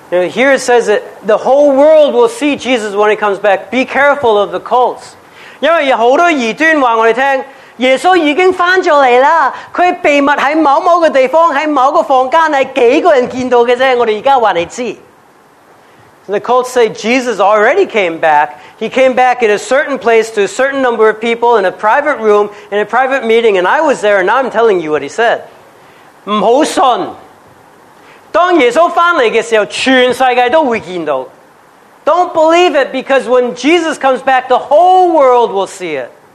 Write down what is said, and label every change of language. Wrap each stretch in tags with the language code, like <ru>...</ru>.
<en>Here it says that the whole world will see Jesus when he comes back. Be careful of the cults.</en> <zh>因为有很多异端告诉我们, 耶稣已经回来了,他秘密在某某个地方,在某个房间,是几个人见到的,我们现在告诉你。</zh> <en>The cults say Jesus already came back. He came back in a certain place to a certain number of people in a private room, in a private meeting, and I was there, and now I'm telling you what he said.</en> <zh>不要信! 当耶稣回来的时候,全世界都会见到。</zh> <en>Don't believe it, because when Jesus comes back, the whole world will see it.</en>